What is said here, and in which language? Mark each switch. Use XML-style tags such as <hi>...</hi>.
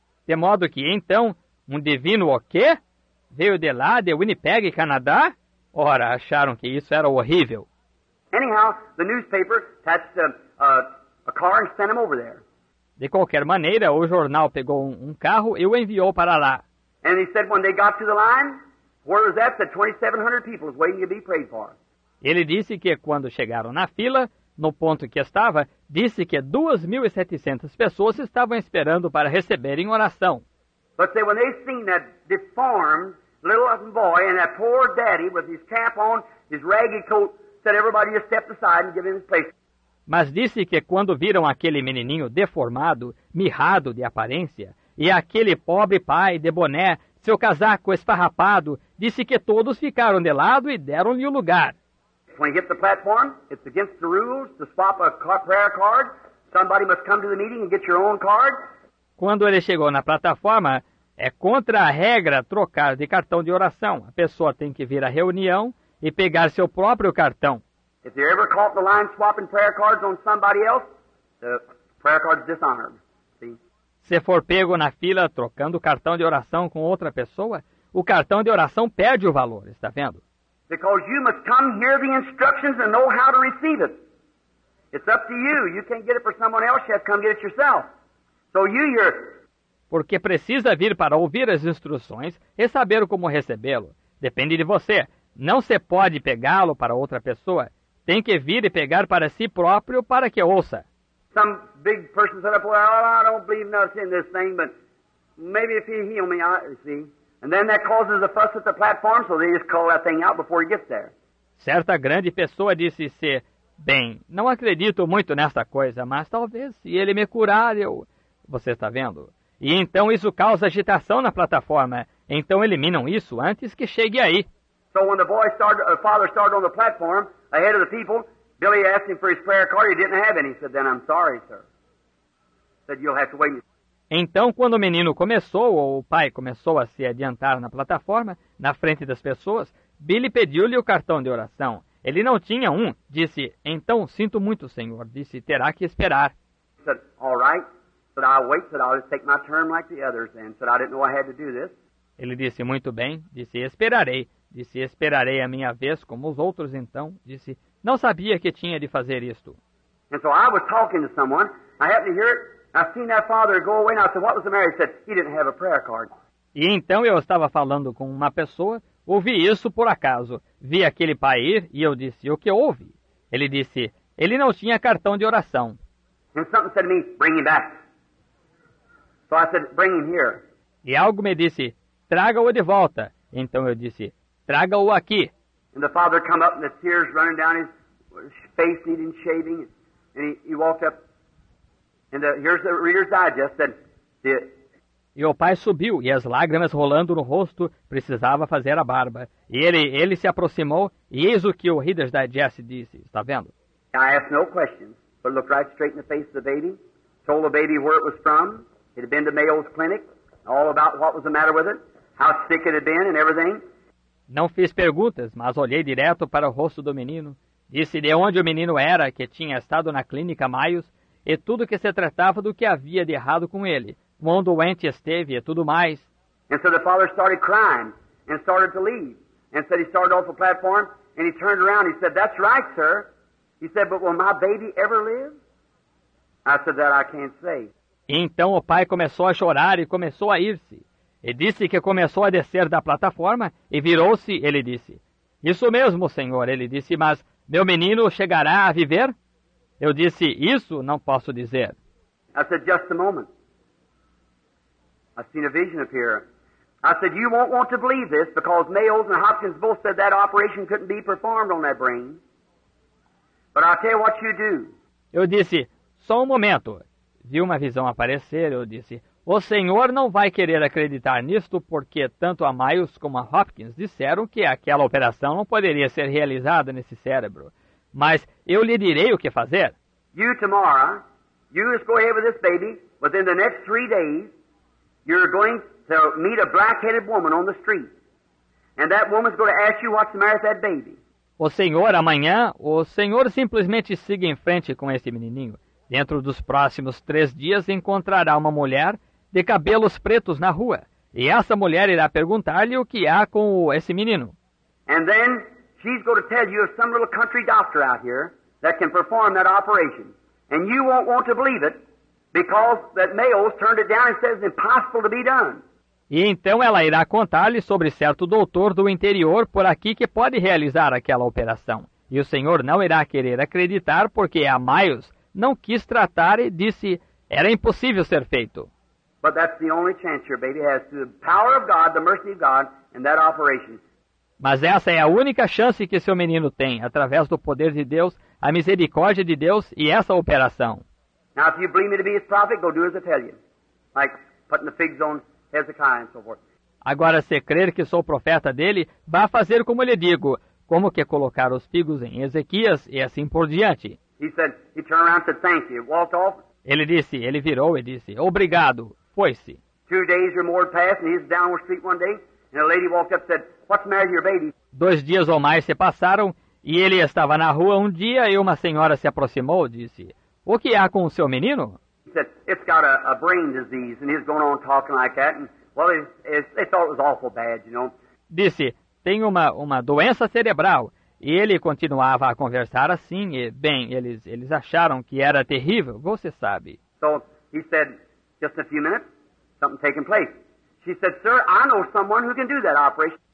<pt>De modo que, então, um divino o quê? Veio de lá, de Winnipeg, Canadá? Ora, acharam que isso era horrível.</pt> <en>Anyhow, the newspaper attached a car and sent him over there.</en> <pt>De qualquer maneira, o jornal pegou um carro e o enviou para lá.</pt> <en>And he said when they got to the line, where was that? The 2,700 people was waiting to be prayed for.</en> <pt>Ele disse que quando chegaram na fila, no ponto que estava, disse que 2,700 pessoas estavam esperando para receberem oração.</pt> <en>But say, when they seen that deformed little boy and that poor daddy with his cap on, his ragged coat, said everybody just step aside and give him his place.</en> <pt>Mas disse que quando viram aquele menininho deformado, mirrado de aparência, e aquele pobre pai de boné, seu casaco esfarrapado, disse que todos ficaram de lado e deram-lhe o lugar.</pt> <en>When you get the platform, it's against the rules to swap a prayer card. Somebody must come to the meeting and get your own card.</en> <pt>Quando ele chegou na plataforma, é contra a regra trocar de cartão de oração. A pessoa tem que vir à reunião e pegar seu próprio cartão.</pt> <en>If you're ever caught in the line swapping prayer cards on somebody else, the prayer card's dishonored.</en> <pt>Se for pego na fila trocando cartão de oração com outra pessoa, o cartão de oração perde o valor, está vendo?</pt> <en>Because you must come hear the instructions and know how to receive it. It's up to you. You can't get it for someone else, you have to come get it yourself. So you hear.</en> <pt>Porque precisa vir para ouvir as instruções e saber como recebê-lo. Depende de você. Não se pode pegá-lo para outra pessoa. Tem que vir e pegar para si próprio para que ouça.</pt> <en>Some big person said, well, I don't believe nothing in this thing, but maybe if he heal me, I see. And then that causes a fuss at the platform, so they just call that thing out before he gets there.</en> <pt>Certa grande pessoa disse ser, bem, não acredito muito nesta coisa, mas talvez se ele me curar, eu... Você está vendo? E então isso causa agitação na plataforma. Então eliminam isso antes que chegue aí.</pt> <en>So when the boy started, the father started on the platform, ahead of the people, Billy asked him for his prayer card. He didn't have any. He said, then I'm sorry, sir. He said, you'll have to wait.</en> <pt>Então, quando o menino começou, ou o pai começou a se adiantar na plataforma, na frente das pessoas, Billy pediu-lhe o cartão de oração. Ele não tinha um. Disse, então, sinto muito, senhor. Disse, terá que esperar.</pt> <en>He said, all right. But I'll wait. Said, I'll just take my turn like the others then. Said, I didn't know I had to do this.</en> <pt>Ele disse, muito bem. Disse, esperarei. Disse, esperarei a minha vez, como os outros então. Disse, não sabia que tinha de fazer isto.</pt> <en>And so I was talking to someone. I happened to hear it. I seen that father go away and I said, what was the matter? He said, he didn't have a prayer card.</en> <pt>E então eu estava falando com uma pessoa, ouvi isso por acaso. Vi aquele pai ir e eu disse, o que houve? Ele disse, ele não tinha cartão de oração.</pt> <en>And something said to me, bring him back. So I said, bring him here.</en> <pt>E algo me disse, traga-o de volta. Então eu disse, traga-o aqui.</pt> <en>And the father come up and the tears running down his face needing shaving. And he walked up. And here's the Reader's Digest.</en> <pt>E o pai subiu e as lágrimas rolando no rosto precisava fazer a barba. E ele se aproximou e eis o que o Reader's Digest disse. Está vendo?</pt> <en>I asked no questions, but looked right straight in the face of the baby. Told the baby where it was from. It had been to Mayo's clinic. All about what was the matter with it. How sick it had been and everything.</en> <pt>Não fiz perguntas, mas olhei direto para o rosto do menino. Disse de onde o menino era, que tinha estado na clínica Maios, e tudo que se tratava do que havia de errado com ele, quão doente esteve e tudo mais.</pt> <en>And so the father started crying and started to leave. And said he started off the platform and he turned around. He said, that's right, sir. He said, but will my baby ever live? I said, that I can't say.</en> <pt>E então o pai começou a chorar e começou a ir-se. E disse que começou a descer da plataforma e virou-se, ele disse. Isso mesmo, senhor, ele disse, mas meu menino chegará a viver? Eu disse, isso não posso dizer.</pt> <en>I said, just a moment. I've seen a vision appear. I said, you won't want to believe this because Mayo's and Hopkins both said that operation couldn't be performed on that brain. But I'll tell you what you do.</en> <pt>Eu disse, só um momento. Vi uma visão aparecer, eu disse, o senhor não vai querer acreditar nisto porque tanto a Miles como a Hopkins disseram que aquela operação não poderia ser realizada nesse cérebro. Mas eu lhe direi o que fazer.</pt> <en>You tomorrow, you just go ahead with this baby, within the next 3 days, you're going to meet a black-headed woman on the street. And that woman's going to ask you what's the matter with that baby.</en> <pt>O senhor, amanhã, o senhor simplesmente siga em frente com esse menininho. Dentro dos próximos 3 dias, encontrará uma mulher de cabelos pretos na rua. E essa mulher irá perguntar-lhe o que há com esse menino.</pt> <en>And then She's going to tell you of some little country doctor out here that can perform that operation. And you won't want to believe it, because that Mayo's turned it down and says it's impossible to be done.</en> <pt>E então ela irá contar-lhe sobre certo doutor do interior por aqui que pode realizar aquela operação. E o senhor não irá querer acreditar porque a Miles não quis tratar e disse era impossível ser feito.</pt> <en>But that's the only chance your baby has, through the power of God, the mercy of God, and that operation.</en> <pt>Mas essa é a única chance que seu menino tem, através do poder de Deus, a misericórdia de Deus e essa operação.</pt> <en>Now, if you believe me to be his prophet, go do as I tell you. Like putting the figs on Hezekiah and so forth.</en> <pt>Agora, se crer que sou profeta dele, vá fazer como lhe digo, como que colocar os figos em Ezequias e assim por diante.</pt> <en>He said, he turned around and said, thank you. Walked off.</en> <pt>Ele disse, ele virou e disse, obrigado, foi-se.</pt> <en>2 days or more passed, and he's down the street one day, and a lady walked up and said, what's the matter with your baby?</en> <pt>2 dias ou mais se passaram, e ele estava na rua um dia, e uma senhora se aproximou e disse, o que há com o seu menino?</pt> <en>He said, it's got a brain disease, and he's going on talking like that, and, well, they thought it was awful bad, you know.</en> <pt>Disse, tem uma doença cerebral, e ele continuava a conversar assim, e, bem, eles acharam que era terrível, você sabe.</pt> <en>So, he said, just a few minutes, something taking place. She said, sir, I know someone who can do that operation.</en>